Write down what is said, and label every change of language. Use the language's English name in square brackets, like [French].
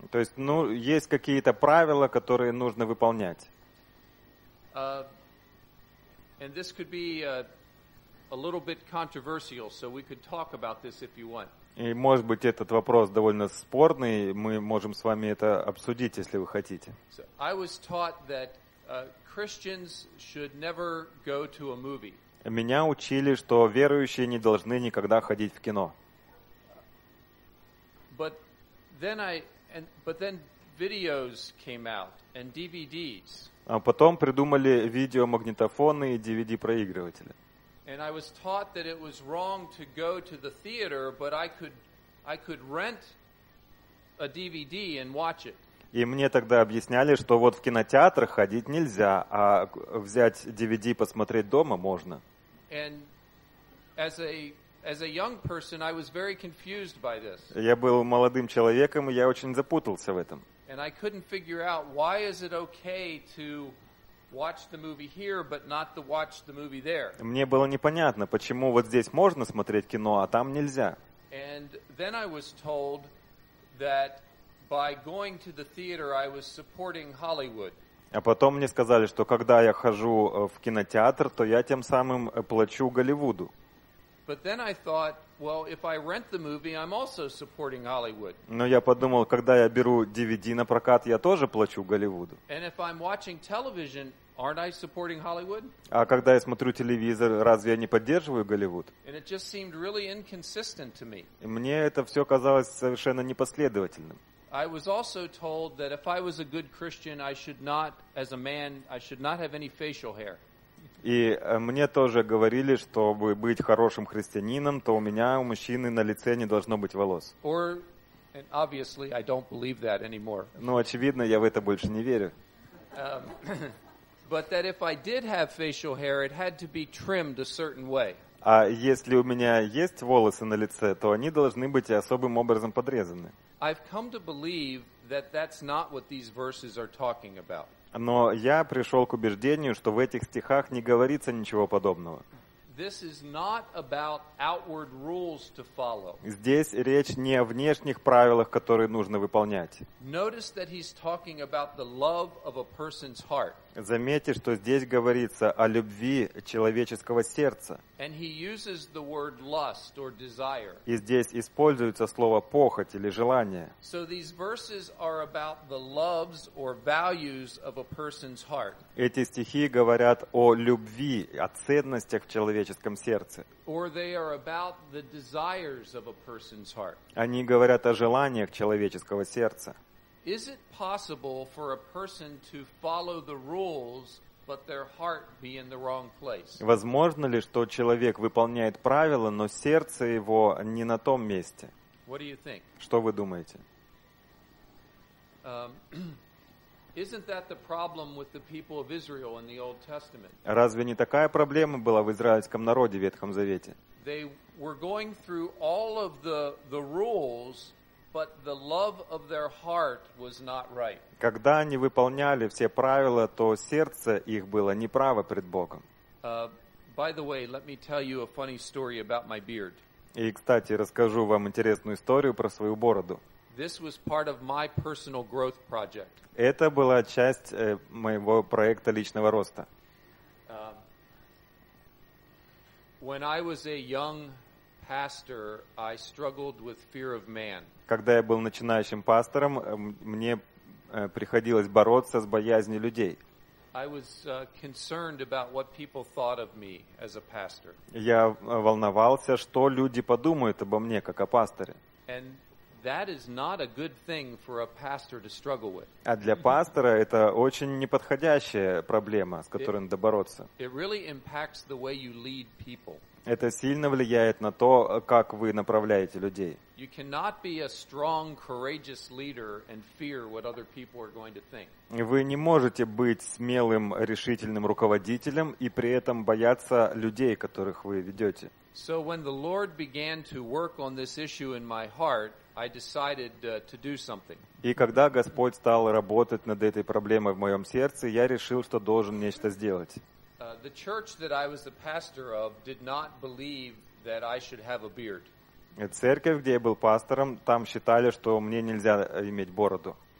[Russian] То есть, ну, есть какие-то правила, которые нужно выполнять. [English] And this could be a little bit controversial, so we could talk about this if you want. [Russian] И, может быть, этот вопрос довольно спорный, мы можем с вами это обсудить, если вы хотите. [English] So I was taught that Christians should never go to a movie. [Russian] Меня учили, что верующие не должны никогда ходить в кино. [English] But then videos came out and DVDs. [Russian] А потом придумали видеомагнитофоны и DVD-проигрыватели. [English] And I was taught that it was wrong to go to the theater, but I could rent a DVD and watch it. [Russian] И мне тогда объясняли, что вот в кинотеатр ходить нельзя, а взять DVD посмотреть дома можно. [English] And as a young person, I was very confused by this. [Russian] Я был молодым человеком, и я очень запутался в этом. [English] And I couldn't figure out why is it okay to watch the movie here, but not to watch the movie there. [Russian] Мне было непонятно, почему вот здесь можно смотреть кино, а там нельзя. [English] And And then I was told that by going to the theater, I was supporting Hollywood. [Russian] А потом мне сказали, что когда я хожу в кинотеатр, то я тем самым плачу Голливуду. [English] But then I thought, well, if I rent the movie, I'm also supporting Hollywood. [Russian] Но я подумал, когда я беру DVD на прокат, я тоже плачу Голливуду. [English] And if I'm watching television, aren't I supporting Hollywood? [Russian] А когда я смотрю телевизор, разве я не поддерживаю Голливуд? [English] And it just seemed really inconsistent to me. [Russian] И мне это все казалось совершенно непоследовательным. [English] I was also told that if I was a good Christian, I should not, as a man, I should not have any facial hair. [Russian] И мне тоже говорили, чтобы быть хорошим христианином, то у меня, у мужчины, на лице не должно быть волос. [English] Or, and obviously, I don't believe that anymore. [Russian] Ну, очевидно, я в это больше не верю. [English] But that if I did have facial hair, it had to be trimmed a certain way. [Russian] А если у меня есть волосы на лице, то они должны быть особым образом подрезаны. [English] I've come to believe that that's not what these verses are talking about. [Russian] Но я пришел к убеждению, что в этих стихах не говорится ничего подобного. [English] This is not about outward rules to follow. [Russian] Здесь речь не о внешних правилах, которые нужно выполнять. [English] Notice that he's talking about the love of a person's heart. [Russian] Заметьте, что здесь говорится о любви человеческого сердца. [English] And he uses the word lust or desire. [Russian] И здесь используется слово похоть или желание. [English] So these verses are about the loves or values of a person's heart. [Russian] Эти стихи говорят о любви, о ценностях в человеческом сердце. [English] Or they are about the desires of a person's heart. [Russian] Они говорят о желаниях человеческого сердца. [English] Is it possible for a person to follow the rules, but their heart be in the wrong place? [Russian] Возможно ли, что человек выполняет правила, но сердце его не на том месте? [English] What do you think? [Russian] Что вы думаете? [English] Isn't that the problem with the people of Israel in the Old Testament? [Russian] Разве не такая проблема была в израильском народе в Ветхом Завете? [English] They were going through all of the rules, but the love of their heart was not right. [Russian] Когда они выполняли все правила, то сердце их было неправо пред Богом. [English] By the way, let me tell you a funny story about my beard. [Russian] И, кстати, расскажу вам интересную историю про свою бороду. [English] This was part of my personal growth project. [Russian] Это была часть моего проекта личного роста. [English] When I was a young pastor, I struggled with fear of man. [Russian] Когда я был начинающим пастором, мне приходилось бороться с боязнью людей. [English] I was concerned about what people thought of me as a pastor. [Russian] Я волновался, что люди подумают обо мне как о пасторе. [English] And that is not a good thing for a pastor to struggle with. [Russian] А для пастора это очень неподходящая проблема, с которой надо бороться. [English] It really impacts the way you lead people. [Russian] Это сильно влияет на то, как вы направляете людей. [English] You cannot be a strong, courageous leader and fear what other people are going to think. [Russian] Вы не можете быть смелым, решительным руководителем и при этом бояться людей, которых вы ведете. [English] So when the Lord began to work on this issue in my heart, I decided to do something. [Russian] И когда Господь стал работать над этой проблемой в моем сердце, я решил, что должен нечто сделать. [English] The church that I was the pastor of did not believe that I should have a beard. [Russian] Церковь, где я был пастором, там считали, что мне нельзя иметь бороду.